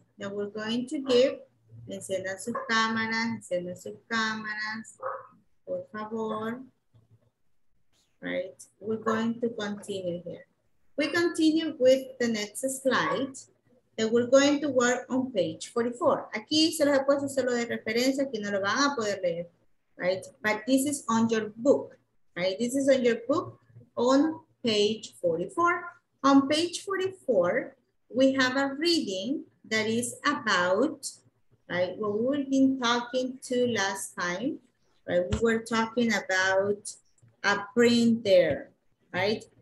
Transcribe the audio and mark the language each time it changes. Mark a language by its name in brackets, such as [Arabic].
[English] That we're going to give. [Spanish] Encienda sus cámaras, encienda sus cámaras. Por favor. [English] Right, we're going to continue here. We continue with the next slide that we're going to work on page 44. [Spanish] Aquí se los he puesto solo de referencia, aquí no lo van a poder leer. [English] Right, but this is on your book. Right, this is on your book on page 44. On page 44, we have a reading that is about, right, what we've been talking to last time. Right, we were talking about a printer, right?